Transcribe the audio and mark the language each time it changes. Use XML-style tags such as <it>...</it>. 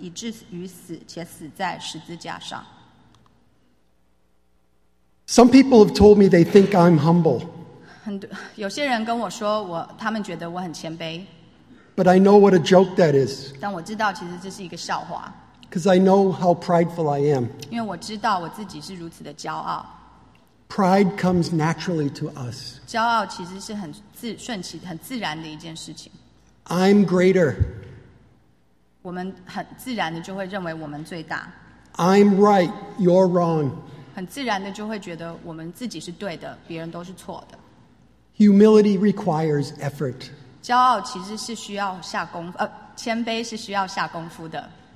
<zh>既有人的样子,就谦卑自己,存心顺服,以至于死,且死在十字架上。</zh> <en>Some people have told me they think I'm humble.</en> <zh>有些人跟我说,他们觉得我很谦卑。</zh> <en>But I know what a joke that is.</en> <zh>但我知道其实这是一个笑话。</zh> <en>Because I know how prideful I am.</en> <zh>因为我知道我自己是如此的骄傲。</zh> <en>Pride comes naturally to us.</en> <zh>骄傲其实是很自然的一件事情。</zh> <en>I'm greater.</en> <zh>我们很自然的就会认为我们最大。</zh> <en>I'm right, you're wrong.</en> <zh>很自然的就会觉得我们自己是对的, 别人都是错的。</zh> <en>Humility requires effort.</en> <zh>骄傲其实是需要下功, 谦卑是需要下功夫的。</zh>